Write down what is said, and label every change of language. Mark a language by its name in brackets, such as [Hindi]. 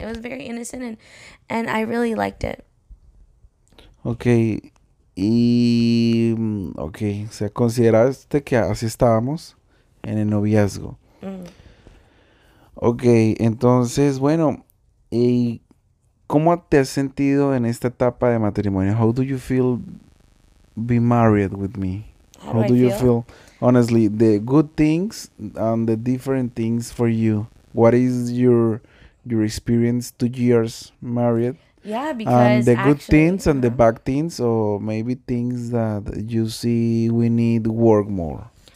[English] It was very innocent, and I really liked it. [Spanish] Ok. Y ok. O sea, consideraste que así estábamos en el noviazgo. Ok, entonces, bueno. ¿Y cómo te has sentido en esta etapa de matrimonio? [English] How do you feel be married with me? How do How I do you feel? feel, honestly, the good things and the different things for you? What is your experience 2 years married, Yeah, and because the good actually, things and the bad things, or maybe things that you see we need work more?